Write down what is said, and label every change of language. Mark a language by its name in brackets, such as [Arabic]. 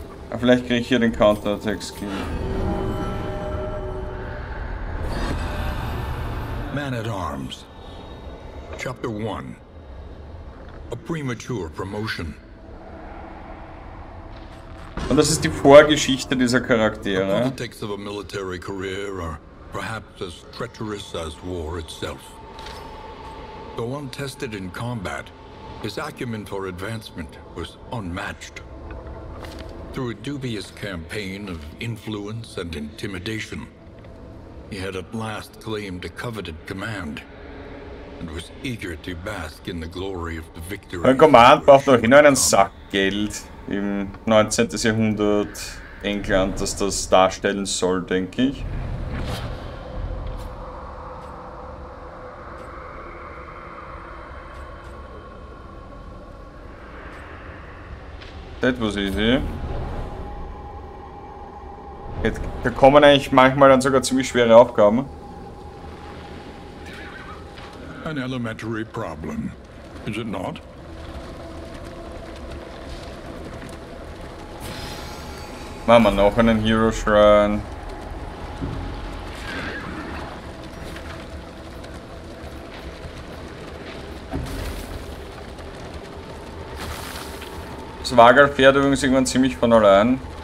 [German] Aber vielleicht kriege ich hier den Counter-Attack-Skill. [English] Man at Arms. Chapter 1. A premature promotion. [German] Und das ist die Vorgeschichte dieser Charaktere. [English] The politics of a military career are perhaps as treacherous as war itself. Though untested in combat, his acumen for advancement was unmatched. Through a dubious campaign of influence and intimidation, he had at last claimed a coveted command and was eager to bask in the glory of the victory. [German] Ein Command braucht doch nur einen Sack Geld im 19. Jahrhundert England, das das darstellen soll, denke ich. [English] That was easy. [German] Jetzt, da kommen eigentlich manchmal dann sogar ziemlich schwere Aufgaben. [English] An elementary problem, is it not? [German] Machen wir noch einen Hero Shrine. Das Wagel fährt übrigens irgendwann ziemlich von allein.